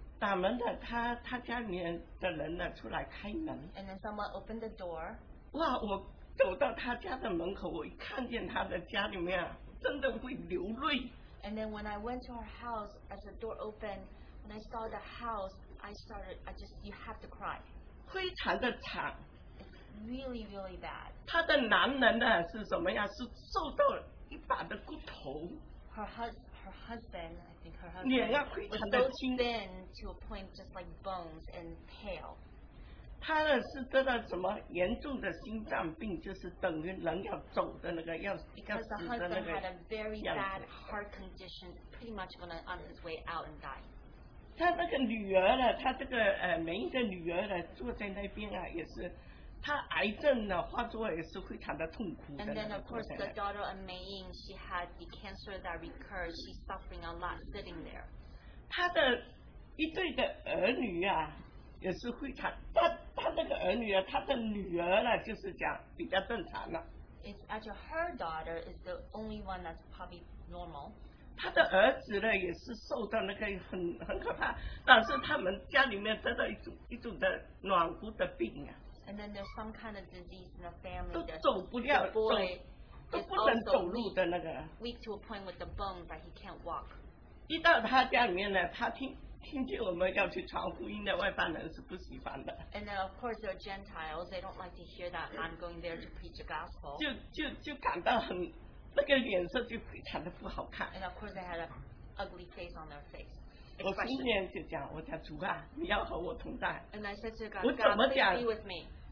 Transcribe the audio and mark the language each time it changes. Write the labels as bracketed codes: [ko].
[zh] 打门的, 他家里的人呢, 出来开门, [en] and then someone opened the door. [zh] 哇, 我走到他家的门口, 我一看见他的家里面, 真的会流泪。 [en] And then when I went to her house, as the door opened, when I saw the house, you have to cry. [zh] 非常的惨, [en] it's really, really bad. [zh] 他的男人呢, 是什么呀?是瘦到一把的骨头。 [en] Her husband, I think her husband, was so thin to a point just like bones and pale. [zh] 他呢是得了什么严重的心脏病, 就是等于人要走的那个要死的那个样子。 [en] Because the husband had a very bad heart condition, pretty much going on his way out and die. [zh] 他那个女儿呢, 他这个, 美英的女儿呢, 坐在那边啊, 也是, 她癌症呢, 化作也是非常的痛苦的, [en] and then of course the daughter of Mei Ying, she had the cancer that recurred, she's suffering a lot sitting there. [zh] 她的一对的儿女啊, 也是非常, 她那个儿女啊, 她的女儿呢, 就是讲, 比较正常了, [en] it's actually her daughter is the only one that's probably normal. [zh] 他的儿子呢也是受到那个很可怕，但是他们家里面得到一种的软骨的病啊。 [en] And then there's some kind of disease in the family. [zh] 都走不了，都不能走路的那个。 [en] Weak to a point with the bones that he can't walk. [zh] 一到他家里面呢，他听见我们要去传福音的外邦人是不喜欢的。 [en] And then of course they're Gentiles. They don't like to hear that I'm going there to preach the gospel. [zh] 就感到很。那个脸色就非常的不好看 [en] And of course they had an ugly face on their face [zh] 我今天就讲主啊 你要和我同在 [en] And I said to God, God please be with me